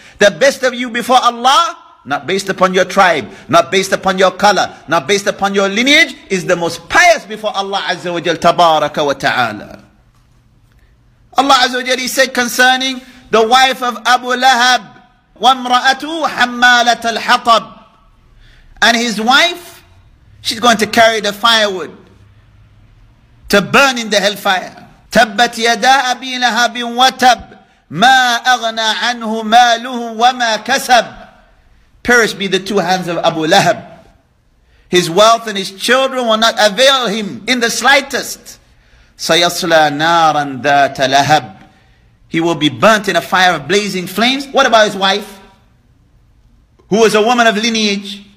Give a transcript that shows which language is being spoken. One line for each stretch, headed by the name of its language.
English: The best of you before Allah, not based upon your tribe, not based upon your color, not based upon your lineage, is the most pious before Allah
Arabic: Azza wa Jal Tabaraka wa Ta'ala.
English: Allah Azza wa Jal, he said concerning the wife of Abu Lahab,
Arabic: wa mra'atu hammalat al-hatab.
English: And his wife, she's going to carry the firewood to burn in the hellfire.
Arabic: تبت يدا أبي لهب وتب ما أغنى عنه ماله وما كسب.
English: Perish be the two hands of Abu Lahab. His wealth and his children will not avail him in the slightest.
Arabic: سيصلى نارا ذات لهب.
English: He will be burnt in a fire of blazing flames. What about his wife, who was a woman of lineage?